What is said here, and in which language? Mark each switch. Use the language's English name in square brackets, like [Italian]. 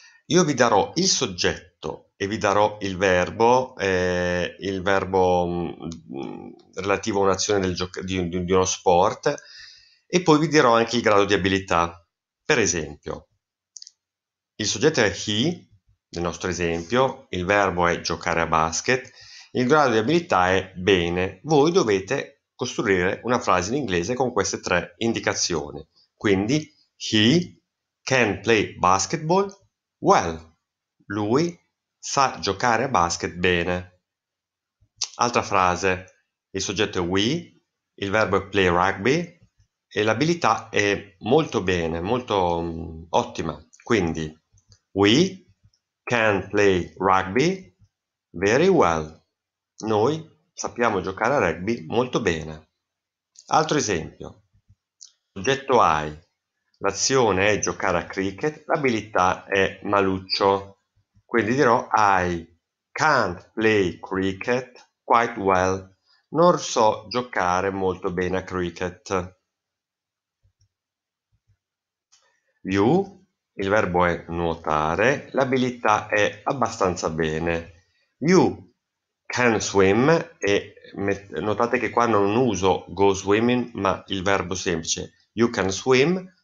[Italian] Io vi darò il soggetto e vi darò il verbo relativo a un'azione di uno sport, e poi vi dirò anche il grado di abilità. Per esempio, il soggetto è he, nel nostro esempio, il verbo è giocare a basket, il grado di abilità è bene. Voi dovete costruire una frase in inglese con queste tre indicazioni. [English] Quindi, he can play basketball. Well, [Italian] lui sa giocare a basket bene. Altra frase, il soggetto è we, il verbo è play rugby e l'abilità è molto bene, molto ottima. [English] Quindi, we can play rugby very well. [Italian] Noi sappiamo giocare a rugby molto bene. Altro esempio, soggetto I. L'azione è giocare a cricket, l'abilità è maluccio. Quindi dirò [English] I can't play cricket quite well. [Italian] Non so giocare molto bene a cricket. You, il verbo è nuotare, l'abilità è abbastanza bene. [English] You can swim [Italian] e notate che qua non uso go swimming, ma il verbo semplice. You can swim.